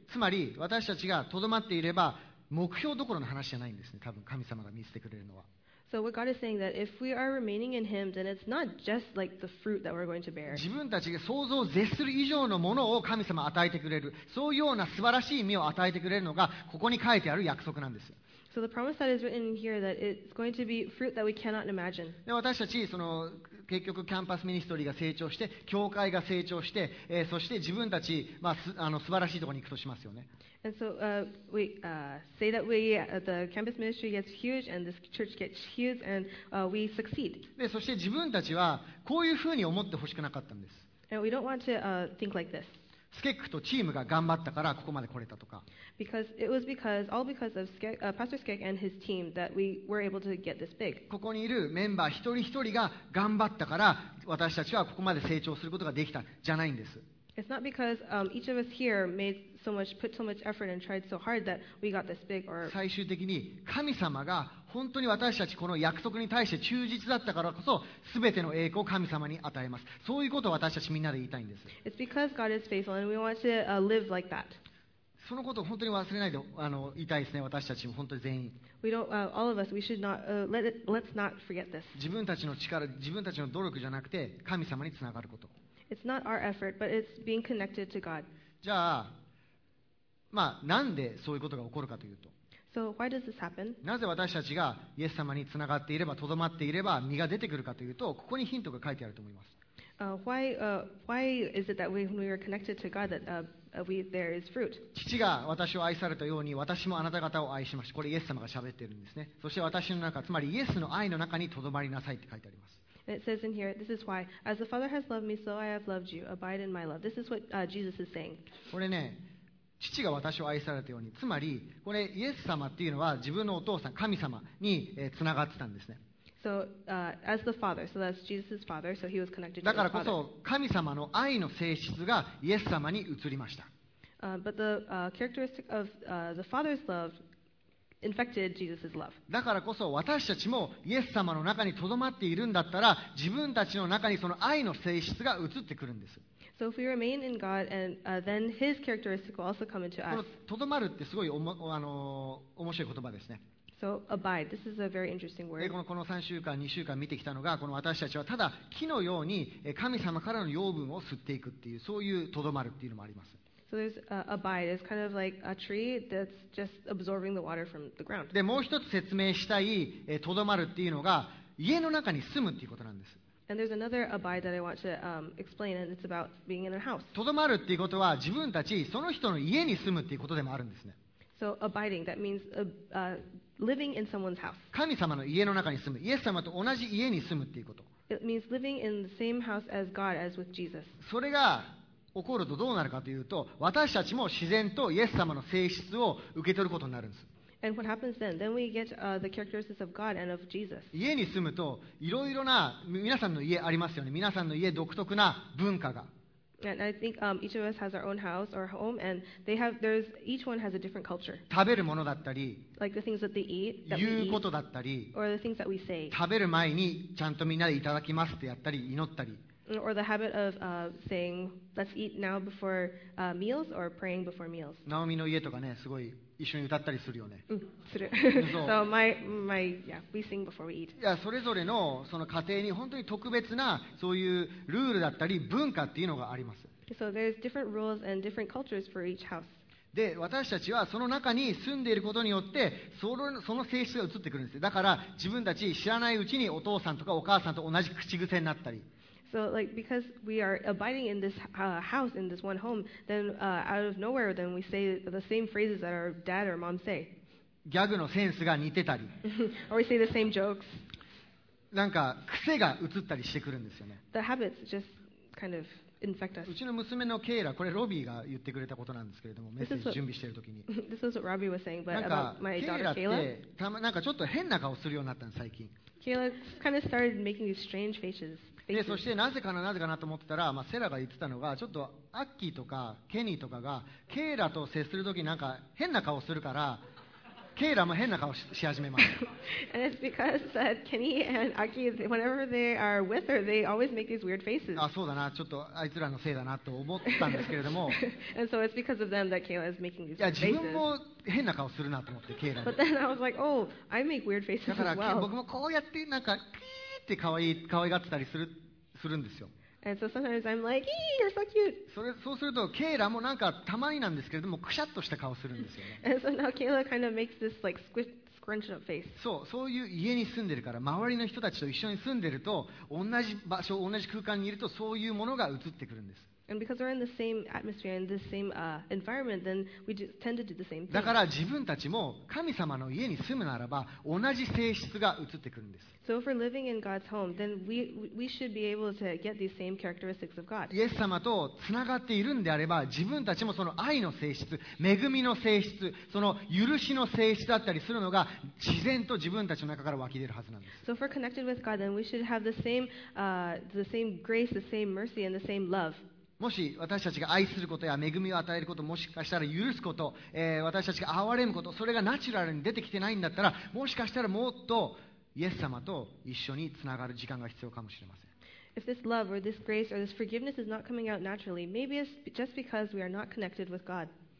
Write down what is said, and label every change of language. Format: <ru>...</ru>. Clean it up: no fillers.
<ja>つまり、私たちがとどまっていれば、目標どころの話じゃないんですね、多分神様が見せてくれるのは。</ja> <en>So what God is saying that if we are remaining in Him, then it's not just like the fruit that we're going to bear.</en> <ja>自分たちが想像を絶する以上のものを神様与えてくれる、そういうような素晴らしい実を与えてくれるのがここに書いてある約束なんです。</ja> <en>So the promise that is written here that it's going to be fruit that we cannot imagine.</en> <ja>私たちその結局キャンパスミニストリーが成長して教会が成長して、そして自分たち、まあ、あの素晴らしいところに行くとしますよね。</ja> <en>And so we say that we the campus ministry gets huge and this church gets huge and we succeed.</en> <ja>で、そして自分たちはこういうふうに思ってほしくなかったんです。</ja> <en>And we don't want to think like this.</en> <ja>スケックとチームが頑張ったからここまで来れたとか。</ja> <en>Because it was because all because of Skek, Pastor Skek and his team that we were able to get this big.</en> <ja>ここにいるメンバー一人一人が頑張ったから私たちはここまで成長することができたじゃないんです。</ja> <en>It's not because each of us here made so much, put so much effort and tried so hard that we got this big or.</en> <ja>最終的に神様が本当に私たちこの約束に対して忠実だったからこそ、すべての栄光を神様に与えます。そういうことを私たちみんなで言いたいんです。</ja> <en>It's because God is faithful and we want to live like that.</en> <ja>そのことを本当に忘れないで言いたいですね。私たちも本当に全員。</ja> <en>We don't, all of us, we should not, let's not forget this.</en> <ja>自分たちの力、自分たちの努力じゃなくて神様につながること。</ja> <en>It's not our effort, but it's being connected to God.</en> <ja>じゃあ、まあ、なんでそういうことが起こるかというと、</ja> <en>So why does this happen?</en> <ja>なぜ私たちがイエス様につながっていれば、とどまっていれば、実が出てくるかというと、ここにヒントが書いてあると思います。</ja> <en>Why is it that when we are connected to God, that there is fruit?</en> <ja>父が私を愛されたように、私もあなた方を愛しました。これイエス様が喋っているんですね。そして私の中、つまりイエスの愛の中にとどまりなさいって書いてあります。</ja> <en>It says in here, this is why, as the Father has loved me, so I have loved you. Abide in my love. This is what Jesus is saying.</en> <ja>これね、父が私を愛されたように、つまりこれイエス様っていうのは自分のお父さん、神様に、つながってたんですね。</ja> <en>So, as the Father, so that's Jesus' Father, so he was connected to the Father.</en> <ja>だからこそ神様の愛の性質がイエス様に移りました。</ja> <en>But the characteristic of the Father's love infected Jesus's love.</en> <ja>だからこそ私たちもイエス様の中にとどまっているんだったら自分たちの中にその愛の性質が移ってくるんです。</ja> <en>So if we remain in God, and then His characteristic will also come into us.</en> <ja>とどまるってすごい面白い言葉ですね。</ja> <en>So abide. This is a very interesting word.</en> <ja>この3週間、2週間見てきたのがこの私たちはただ木のように神様からの養分を吸っていくっていうそういうとどまるっていうのもあります。</ja> <en>So there's abide. It's kind of like a tree that's just absorbing the water from the ground.</en> <ja>で、もう一つ説明したい、とどまるっていうのが家の中に住むっていうことなんです。</ja> <en>And there's another abide that I want to explain, and it's about being in a house.</en> <ja>とどまるっていうことは自分たちその人の家に住むっていうことでもあるんですね。</ja> <en>So abiding, that means living in someone's house.</en> <ja>神様の家の中に住む、イエス様と同じ家に住むっていうこと。</ja> <en>It means living in the same house as God, as with Jesus.</en> <ja>それが起こるとどうなるかというと、私たちも自然とイエス様の性質を受け取ることになるんです。</ja> <en>And what happens then? Then we get the characteristics of God and of Jesus.</en> <ja>家に住むと、いろいろな、皆さんの家ありますよね。皆さんの家独特な文化が。</ja> <en>And I think each of us has our own house or home, and they have, there's, each one has a different culture.</en> <ja>食べるものだったり、</ja> <en>like the things that they eat, that</en> <ja>言うことだったり、</ja> <en>or the things that we say.</en> <ja>食べる前にちゃんとみんなでいただきますってやったり、祈ったり。</ja> <en>Or the habit of saying, let's eat now before meals or praying before meals.</en> <ja>Naomi の家とかね、すごい一緒に歌ったりするよね。うん、する。そう。</ja> <en>So my yeah, we sing before we eat.</en> <ja>いや、それぞれのその家庭に本当に特別なそういうルールだったり文化っていうのがあります。</ja> <en>So there's different rules and different cultures for each house.</en> <ja>で、私たちはその中に住んでいることによってその性質が移ってくるんです。だから自分たち知らないうちにお父さんとかお母さんと同じ口癖になったり。</ja> <en>So, like, because we are abiding in this house, in this one home, then out of nowhere, then we say the same phrases that our dad or mom say.</en> <ja>ギャグのセンスが似てたり。</ja> <en>Or we say the same jokes.</en> <ja>なんか癖が移ったりしてくるんですよね。</ja> <en>The habits just kind of infect us.</en> <ja>うちの娘のケイラ、これロビーが言ってくれたことなんですけれども、メッセージ準備してるときに。</ja> <en>This is what Robbie was saying, but about my daughter Kayla.</en> <ja>なんかちょっと変な顔するようになったの、最近。</ja> <en>Kayla kind of started making these strange faces.</en> <ja>でそしてなぜかな、なぜかなと思ってたら、まあ、セラが言ってたのがちょっとアッキーとかケニーとかがケイラと接するときなんか変な顔するからケイラも変な顔 し始めました。</ja> <en>And it's because that Kenny and Aki, whenever they are with her, they always make these weird faces.</en> <ja>あ、そうだな、ちょっとあいつらのせいだなと思ったんですけれども。</ja> <en>And so it's because of them that Kayla is making these</en> <ja>faces. いや、自分も変な顔するなと思って、ケイラに。</ja> <en>But then I was like, oh, I make weird faces as well.</en> <ja>だから僕もこうやってなんかキーって可愛がってたりするんですよ。</ja> <en>And so sometimes I'm like, hey, you're so cute.</en> <ja>それそうするとケイラもなんかたまになんですけれどもくしゃっとした顔するんですよね。</ja> <en>And so now Kayla kind of makes this like scrunch up face.</en> <ja>そう、そういう家に住んでるから周りの人たちと一緒に住んでると同じ場所同じ空間にいるとそういうものが映ってくるんです。</ja> <en>And because we're in the same atmosphere and the same environment, then we tend to do the same thing.</en> <ja>だから自分たちも神様の家に住むならば同じ性質が映ってくるんです。</ja> <en>So if we're living in God's home, then we should be able to get these same characteristics of God.</en> <ja>イエス様とつながっているんであれば、自分たちもその愛の性質、恵みの性質、その許しの性質だったりするのが自然と自分たちの中から湧き出るはずなんです。</ja> <en>So if we're connected with God, then we should have the same grace, the same mercy, and the same love.</en> <ja>もし私たちが愛することや恵みを与えること、もしかしたら許すこと、私たちが憐れむこと、それがナチュラルに出てきてないんだったら、もしかしたらもっとイエス様と一緒につながる時間が必要かもしれません。</ja> <en>If this love or this grace or this forgiveness is not coming out naturally, maybe it's just because we are not connected with God.</en>